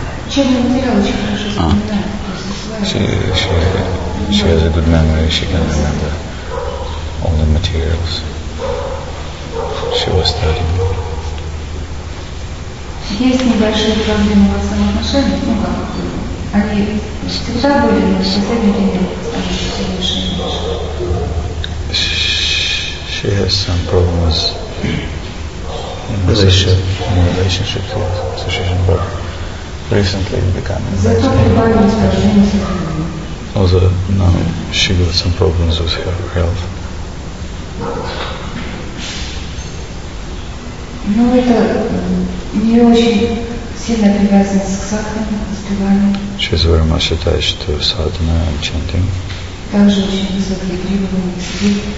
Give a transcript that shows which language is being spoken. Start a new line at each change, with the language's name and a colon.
English: She has a good memory, she can remember all the materials she was studying.
Russian: Есть небольшие проблемы в самоотношениях, ну как, они всегда были, но в последнее время стали все меньше и меньше.
English: She has some problems in relationship to the association, but recently it's becoming better. Also, now she got some problems with her health.
Russian: Ну это не очень сильно привязано к садхане, к успеванию.
English: She's very much attached to sadhana and chanting.
Russian: Также очень высокие требования к себе.